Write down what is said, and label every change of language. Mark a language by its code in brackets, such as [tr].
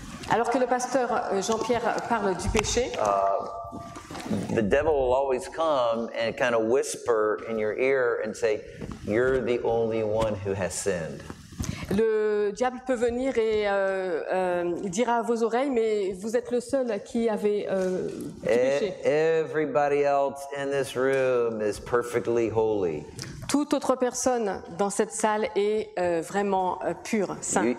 [fr] alors que le pasteur Jean-Pierre parle du péché, [en] the devil will always come and kind of whisper in your ear and say, "You're the only one who has sinned." [fr] Le diable peut venir et dire à vos oreilles, mais vous êtes le seul qui avait péché. [en] Everybody else in this room is perfectly holy. [fr] Toute autre personne dans cette salle est vraiment pure, saint.